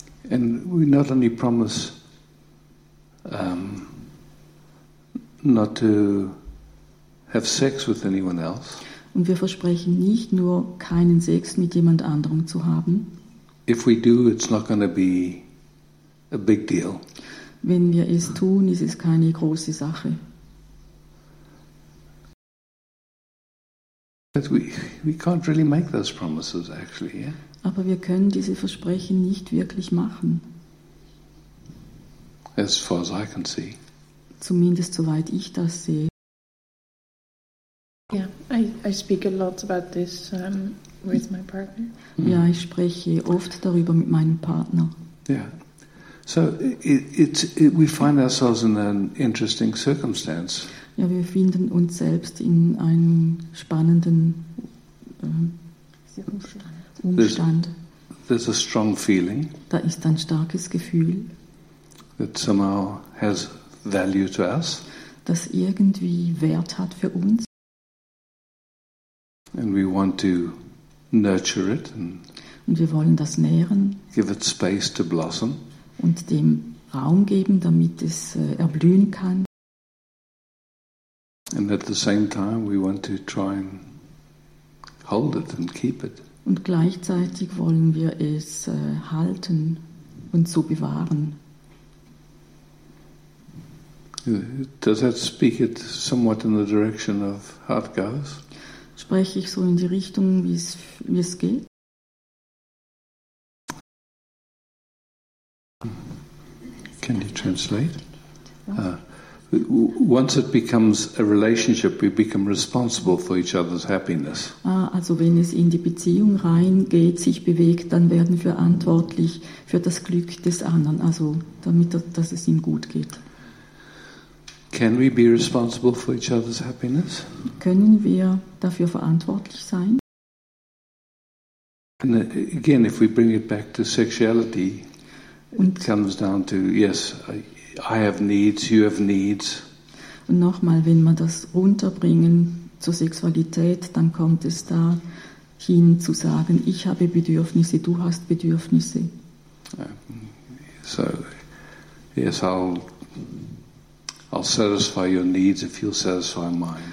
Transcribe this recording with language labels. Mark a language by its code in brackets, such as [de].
[en] And we not only promise not to have sex with anyone else. [de] Und wir versprechen nicht nur keinen Sex mit jemand anderem zu haben. [en] If we do, it's not going to be a big deal. [de] Wenn wir es tun, ist es keine große Sache. [en] But we can't really make those promises, actually, yeah. [de] Aber wir können diese Versprechen nicht wirklich machen. [en] As far as I can see. [de] Zumindest soweit ich das sehe. [en] Yeah, I speak a lot about this with my partner. [de] Ja, ich spreche oft darüber mit meinem Partner. [en] Yeah. So it's we find ourselves in an interesting circumstance. [de] Ja, wir finden uns selbst in einem spannenden Umstand. [en] There's a strong feeling. [de] Da ist ein starkes Gefühl. [en] That somehow has value to us. [de] Das irgendwie Wert hat für uns. [en] And we want to nurture it. [de] Und wir wollen das nähren. [en] Give it space to blossom. [de] Und dem Raum geben, damit es erblühen kann. [en] And at the same time we want to try and hold it and keep it. [de] Und gleichzeitig wollen wir es halten und so bewahren. [en] Does that speak it somewhat in the direction of how it goes? [de] Spreche ich so in die Richtung, wie es geht? [en] Can you translate? Once it becomes a relationship, we become responsible for each other's happiness. [de] Also wenn es in die Beziehung reingeht, sich bewegt, dann werden wir verantwortlich für das Glück des anderen, also damit dass es ihm gut geht. [en] Can we be responsible for each other's happiness? [de] Können wir dafür verantwortlich sein? [en] And again, if we bring it back to sexuality, it comes down to, yes, I have needs, you have needs. [de] Und nochmal, wenn wir das runterbringen zur Sexualität, dann kommt es dahin zu sagen, ich habe Bedürfnisse, du hast Bedürfnisse. [en] So, yes, I'll satisfy your needs if you'll satisfy mine.